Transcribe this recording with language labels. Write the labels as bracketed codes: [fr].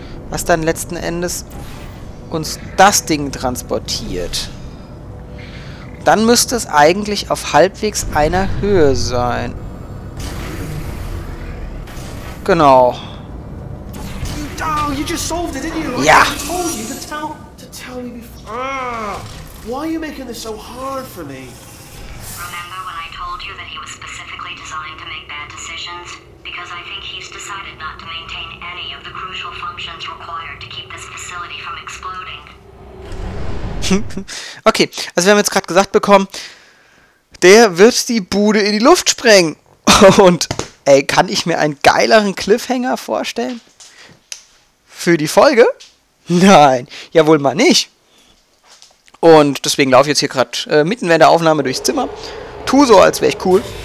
[de] Was dann letzten Endes uns das Ding transportiert. dann müsste es eigentlich auf halbwegs einer Höhe sein. Genau. [en] You just solved it, didn't you? [de] Ja. [en] I told you to tell me before. Why are you making this so hard for me? Remember when I told you that he was specifically designed to make bad decisions? Because I think he's decided not to maintain any of the crucial functions required to keep this facility from exploding. [de] Okay, also wir haben jetzt gerade gesagt bekommen, der wird die Bude in die Luft sprengen. Und, ey, kann ich mir einen geileren Cliffhanger vorstellen? Für die Folge? Nein, ja wohl mal nicht. Und deswegen laufe ich jetzt hier gerade mitten während der Aufnahme durchs Zimmer. Tu so, als wäre ich cool.